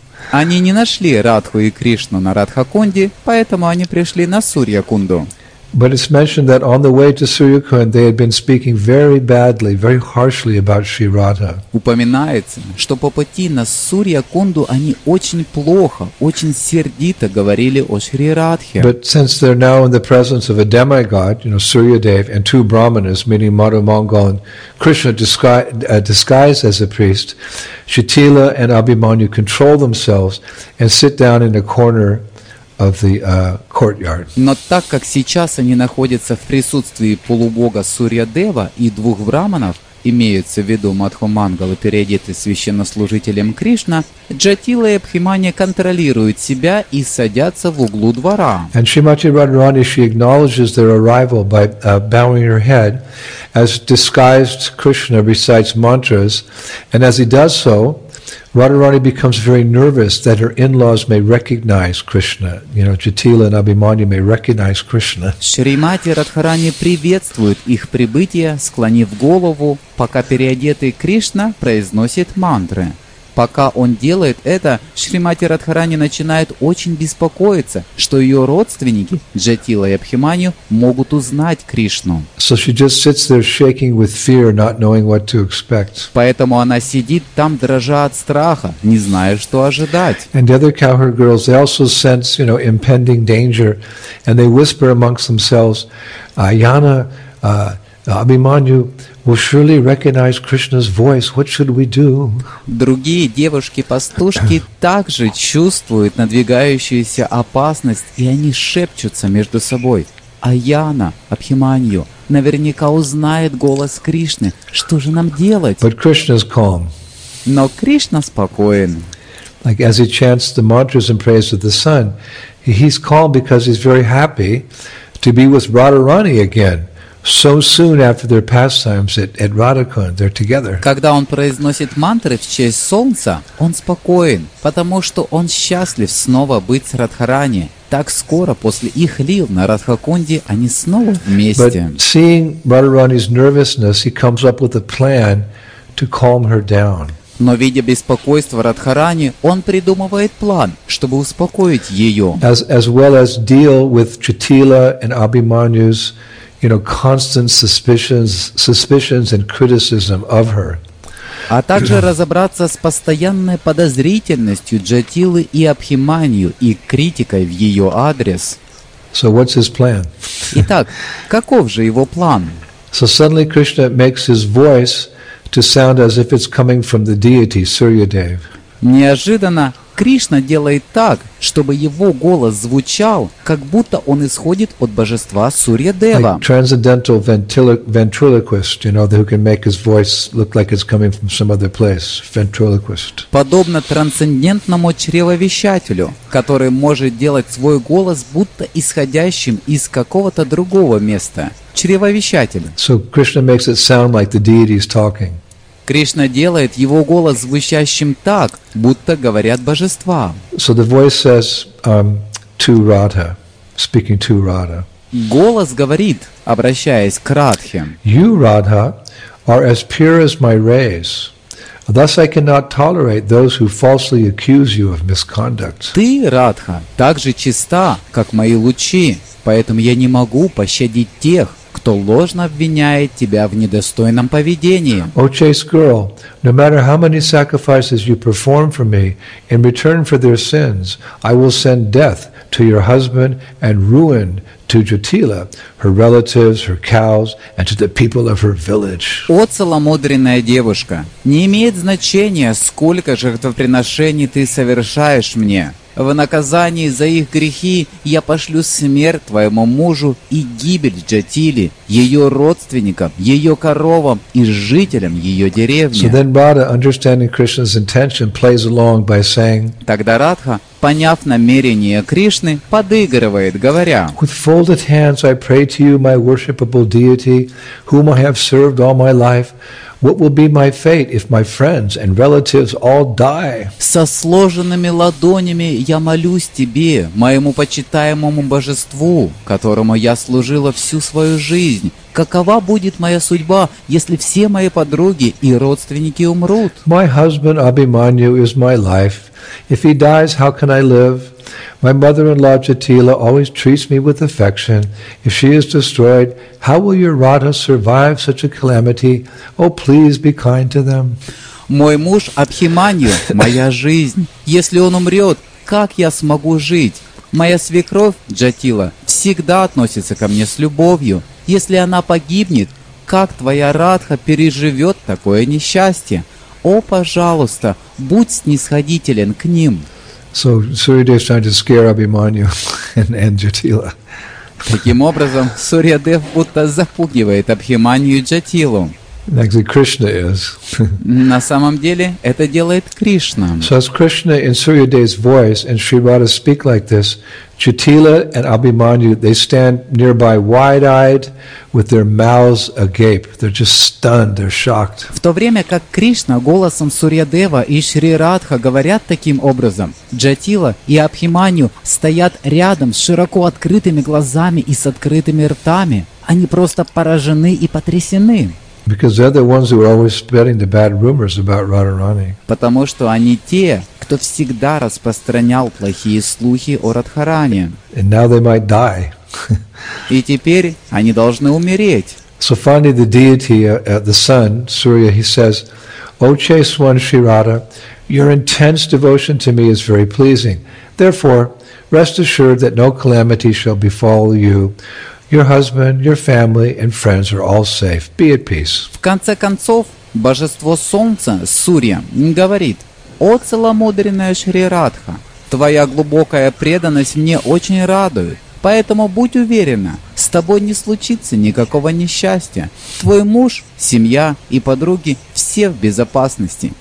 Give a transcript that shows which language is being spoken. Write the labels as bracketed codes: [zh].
[ru] Они не нашли Радху и Кришну на Радхакунде, поэтому они пришли на Сурья-кунду. [en] But it's mentioned that on the way to Suryakund they had been speaking very badly, very harshly about Sri Radha. [ru] Упоминается, что по пути на Сурья-кунду они очень плохо, очень сердито говорили о Шри Радхе. [en] But since they're now in the presence of a demigod, you know, Surya-dev, and two brahmanas, meaning Mara Mangal and Krishna disguised as a priest, Shatila and Abhimanyu control themselves and sit down in a corner of the courtyard. [ru] Но так как сейчас они находятся в присутствии полубога Сурья-дева и двух браманов, имеются в виду Мадху Мангал и переодетый священнослужителем Кришна, Джатила и Абхиманья контролируют себя и садятся в углу двора. [en] And Shrimati Radharani, she acknowledges their arrival by bowing her head as disguised Krishna recites mantras, and as he does so, Radharani becomes very nervous that her in-laws may recognize Krishna. You know, Jatila and Abhimanyu may recognize Krishna. [ru] Шримати Радхарани приветствует их прибытие, склонив голову, пока переодетый Кришна произносит мантры. Пока он делает это, Шримати Радхарани начинает очень беспокоиться, что ее родственники, Джатила и Абхиманью, могут узнать Кришну. [en] So she just sits there shaking with fear, not knowing what to expect. [ru] Поэтому она сидит там, дрожа от страха, не зная, что ожидать. [en] And the other cowherd girls, they also sense, you know, impending danger, and they whisper amongst themselves, Ayana, Abhimanyu will surely recognize Krishna's voice. What should we do? [ru] Другие девушки-пастушки также чувствуют надвигающуюся опасность, и они шепчутся между собой. Аяна, Абхиманью, наверняка узнает голос Кришны. Что же нам делать? [en] But Krishna's calm. [ru] Но Кришна спокоен. [en] Like as he chants the mantras in praise of the sun, he's calm because he's very happy to be with Radharani again. So soon after their pastimes at Radhakund, they're together. [ru] Когда он произносит мантры в честь солнца, он спокоен, потому что он счастлив снова быть с Радхарани. Так скоро после их лил на Радхакунде они снова вместе. [en] But seeing Radharani's nervousness, he comes up with a plan to calm her down. [ru] Но видя беспокойство Радхарани, он придумывает план, чтобы успокоить ее. [en] As well as deal with Chatila and Abhimanyu's, you know, constant suspicions and criticism of her. [ru] А также разобраться с постоянной подозрительностью Джатилы и Абхиманию и критикой в ее адрес. [en] So what's his plan? [ru] Итак, каков же его план? [en] So suddenly Krishna makes his voice to sound as if it's coming from the deity Suryadev. [ru] Неожиданно Кришна делает так, чтобы его голос звучал, как будто он исходит от божества Сурья-дева. [en] Like transcendental ventriloquist, you know, who can make his voice look like it's coming from some other place, ventriloquist. [ru] Подобно трансцендентному чревовещателю, который может делать свой голос будто исходящим из какого-то другого места. Чревовещатель. [en] So Krishna makes it sound like the deity is talking. [ru] Кришна делает его голос звучащим так, будто говорят божества. [en] So the voice says, to Radha, speaking to Radha. [ru] Голос говорит, обращаясь к Радхе. [en] You, Radha, are as pure as my rays. Thus I cannot tolerate those who falsely accuse you of misconduct. [ru] Ты, Радха, так же чиста, как мои лучи, поэтому я не могу пощадить тех, кто ложно обвиняет тебя в недостойном поведении. [en] O chaste girl, no matter how many sacrifices you perform for me, in return for their sins, I will send death to your husband and ruin to Jatila, her relatives, her cows, and to the people of her village. [ru] О, целомудренная девушка, не имеет значения, сколько жертвоприношений ты совершаешь мне. В наказании за их грехи я пошлю смерть твоему мужу и гибель Джатили, ее родственникам, ее коровам и жителям ее деревни. [en] So then Radha, understanding Krishna's intention, plays along by saying, [ru] тогда Радха, поняв намерение Кришны, подыгрывает, говоря, [en] with folded hands I pray to you, my worshipable deity, whom I have served all my life. What will be my fate if my friends and relatives all die? [ru] Со сложенными ладонями я молюсь тебе, моему почитаемому божеству, которому я служила всю свою жизнь. Какова будет моя судьба, если все мои подруги и родственники умрут? [en] My husband Abhimanyu is my life. If he dies, how can I live? My mother-in-law Jatila always treats me with affection. If she is destroyed, how will your Radha survive such a calamity? Oh, please be kind to them. [ru] Мой муж Абхиманью, моя жизнь. Если он умрет, как я смогу жить? Моя свекровь Джатила всегда относится ко мне с любовью. Если она погибнет, как твоя Радха переживет такое несчастье? О, пожалуйста, будь снисходителен к ним. [en] So Suryadev is trying to scare Abhimanyu and Jatila. [ru] Таким образом, Сурьядев будто запугивает Абхиманию и Джатилу. [en] Actually, Krishna is. [ru] На самом деле, это делает Кришна. [en] So as Krishna in Suryadev's voice and Sri Radha speak like this, Jatila and Abhimanyu, they stand nearby wide-eyed with their mouths agape. They're just stunned, they're shocked. [ru] В то время как Кришна голосом Сурьядева и Шри Радха говорят таким образом, Джатила и Абхиманю стоят рядом с широко открытыми глазами и с открытыми ртами. Они просто поражены и потрясены. [en] Because they're the ones who are always spreading the bad rumors about Radharani. [ru] Потому что они те, кто всегда распространял плохие слухи о Радхаране. [en] And now they might die. [ru] И теперь они должны умереть. [en] So finally the deity, the sun, Surya, he says, O chaste one, Sri Radha, your intense devotion to me is very pleasing. Therefore, rest assured that no calamity shall befall you. Your husband, your family, and friends are all safe. Be at peace. [ru] В конце концов, божество Солнца, Сурья, говорит: «О целомудренная Шри Радха, твоя глубокая преданность мне очень радует, поэтому будь уверена, с тобой не случится никакого несчастья. Твой муж, семья и подруги все в безопасности.